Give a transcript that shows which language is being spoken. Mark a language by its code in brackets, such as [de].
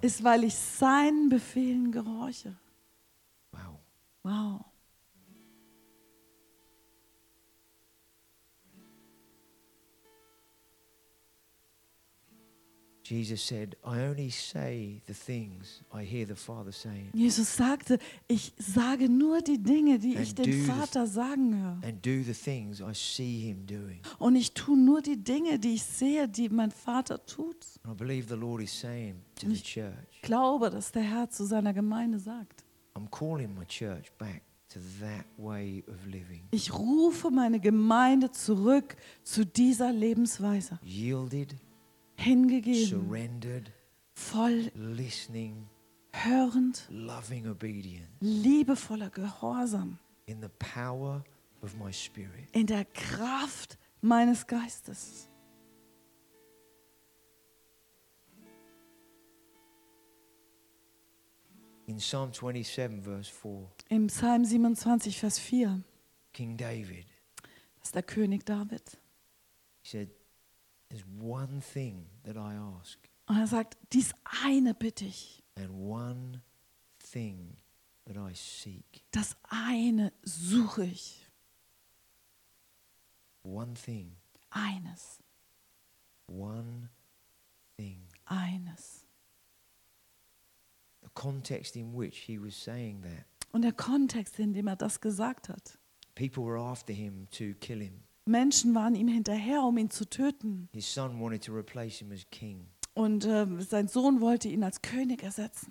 [de] Ist, weil ich seinen Befehlen gehorche. Wow. Wow. [en] Jesus said, I only say the things I hear the Father saying. [de] Jesus sagte, ich sage nur die Dinge, die ich dem Vater sagen höre. [en] And do the things I see him doing. [de] Und ich tue nur die Dinge, die ich sehe, die mein Vater tut. [en] And I believe the Lord is saying to the church. [de] Ich glaube, dass der Herr zu seiner Gemeinde sagt. [en] I'm calling my church back to that way of living. [de] Ich rufe meine Gemeinde zurück zu dieser Lebensweise. [en] Yielded. [de] Hingegeben, [en] surrendered, [de] voll [en] listening, [de] hörend, [en] loving obedience, [de] liebevoller Gehorsam, [en] in the power of my spirit, [de] in der Kraft meines Geistes. [en] In Psalm 27, verse 4, [de] im Psalm 27, Vers 4, [en] King David, [de] ist der König David, [en] said, there's one thing that I ask. [de] Und er sagt, dies eine bitte ich. [en] And one thing that I seek. [de] Das eine suche ich. [en] One thing. [de] Eines. [en] One thing. [de] Eines. [en] The context in which he was saying that. [de] Und der Kontext, in dem er das gesagt hat. [en] People were after him to kill him. [de] Menschen waren ihm hinterher, um ihn zu töten. [en] His son wanted to replace him as king. [de] Und sein Sohn wollte ihn als König ersetzen.